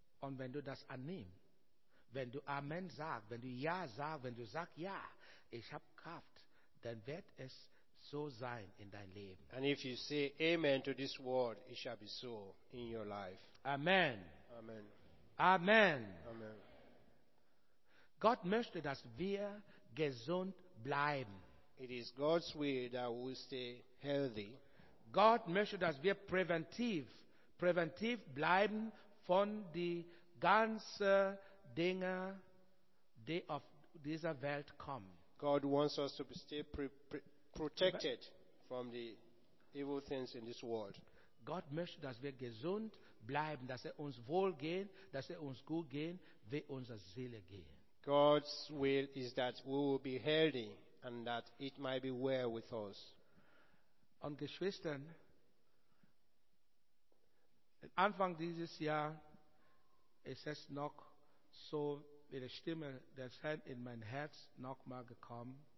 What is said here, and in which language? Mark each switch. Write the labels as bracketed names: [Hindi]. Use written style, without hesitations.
[German] Und wenn du das annimmst, wenn du Amen sagst, wenn du Ja sagst, wenn du sagst Ja, ich habe Kraft, dann wird es so sein in dein Leben. [English] And if you say Amen to this word, it shall be so in your life. Amen. Amen. Amen. Amen. [German] Gott möchte, dass wir gesund bleiben. [English] It is God's will that we stay healthy. [German] Gott möchte, dass wir preventiv bleiben von den ganzen Dingen, die auf dieser Welt kommen. [English] God wants us to stay protected from the evil things in this world. [German] Gott möchte, dass wir gesund bleiben, dass es uns wohl geht, dass es uns gut geht, wie unsere Seele geht. [English] God's will is that we will be healthy and that it might be well with us. [German] Und Geschwistern, Anfang dieses Jahr ist es noch so wie die Stimme des Herrn in mein Herz noch mal gekommen.